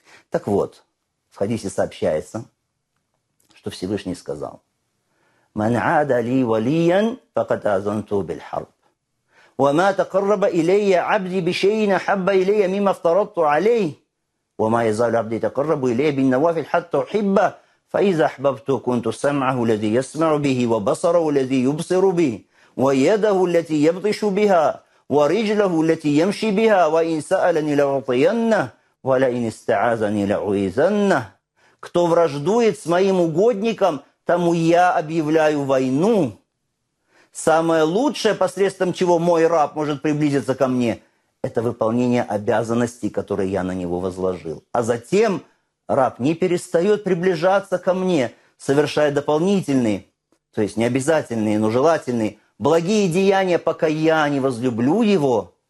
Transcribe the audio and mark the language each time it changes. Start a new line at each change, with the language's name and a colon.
Russian: Так вот, в хадисе сообщается, что Всевышний сказал:
Arabic: «Ман ада ли валиян, факад азанту бил харб. Ва ма такарраба илейя абди бишейна хабба илейя мима фтаратту алей. Ва ма язал абди такаррабу илейя бин навафил хатта ухибба. فإذا أحببت كنت سمعه الذي يسمع به وبصره الذي يبصر به ويده التي يبطش بها ورجله التي يمشي بها وإن سألني لأعطينه ولئن استعاذني لأعيذنه.
Russian: Кто враждует с моим угодником, тому я объявляю войну. Самое лучшее, посредством чего мой раб может приблизиться ко мне, это выполнение обязанностей, которые я на него возложил. А затем раб не перестает приближаться ко мне, совершая дополнительные, то есть необязательные, но желательные, благие деяния, пока я не возлюблю его.